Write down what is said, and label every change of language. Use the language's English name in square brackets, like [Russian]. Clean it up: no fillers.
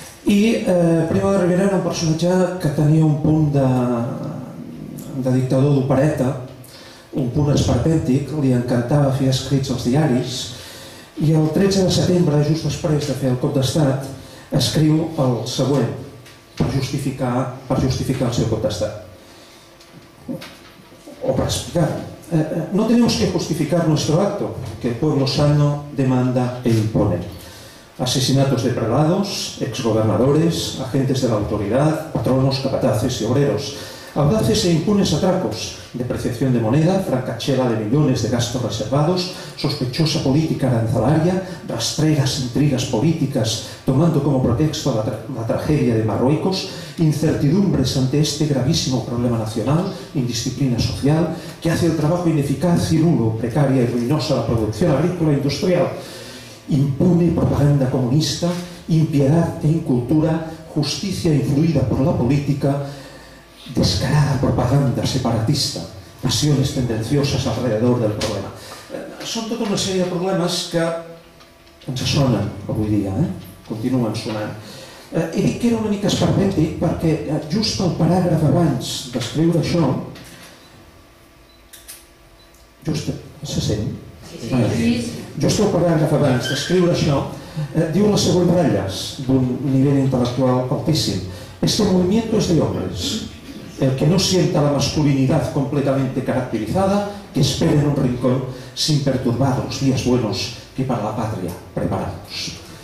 [Catalan] I Primo de Rivera era un personatge que tenia un punt de dictador d'opereta, un punt esperpèntic, li encantava fer escrits als diaris, i el 13 de setembre, just després de fer el cop d'estat, escriu el següent per justificar el seu cop d'estat. O per explicar. [Spanish] No tenemos que justificar nuestro acto, que el pueblo sano demanda e impone. Asesinatos de prelados, exgobernadores, agentes de la autoridad, patronos, capataces y obreros. Audaces e impunes atracos, depreciación de moneda, francachela de millones de gastos reservados, sospechosa política arancelaria, rastreras intrigas políticas, tomando como pretexto la tragedia de Marruecos, incertidumbres ante este gravísimo problema nacional, indisciplina social, que hace el trabajo ineficaz y nulo, precaria y ruinosa la producción agrícola e industrial, impune propaganda comunista, impiedad e incultura, justicia influida por la política, descarada propaganda separatista, pasiones tendenciosas alrededor del problema. [Catalan] Són tota una sèrie de problemes que ens sonen avui dia, continuen sonant. He dit que era una mica esperpèntic perquè just el paràgraf abans d'escriure això, just se sent? Just el paràgraf abans d'escriure això, diu les següents ratlles d'un nivell intel·lectual altíssim. [Spanish] Este movimiento es de hombres. El que no sienta la masculinidad completamente caracterizada, que espera en un rincón sin perturbar los días buenos que para la patria preparamos.